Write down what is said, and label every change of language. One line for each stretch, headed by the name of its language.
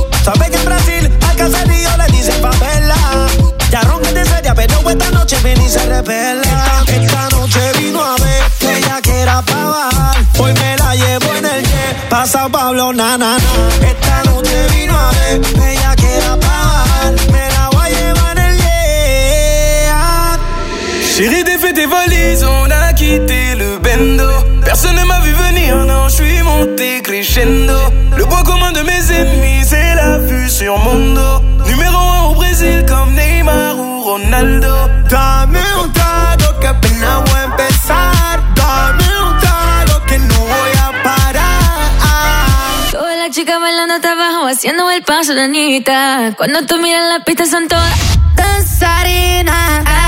Spanish: Sabe que en Brasil al caserío le dicen favela. Ya ronca de seria, pero esta noche viene y se revela. Esta noche vino a ver que ella que era pa' bajar. Hoy me la llevo en el jet, pa' San Pablo, na, na, na. Esta noche vino a ver que ella que era pa' bajar. Me la voy a llevar en el jet.
French: Chérie, défait tes valises, on a quitté le bendo. Personne ne m'a vu venir, non, j'suis monté crescendo. Le point commun de mes ennemis, c'est la vue sur mondo. Numéro 1 au Brésil, comme Neymar ou Ronaldo.
Spanish: Dame un trago que apenas voy a empezar. Dame un trago que no voy a parar. Toda la chica bailando hasta abajo, haciendo el paso de Anita. Cuando tú miras la pista son todas danzarinas.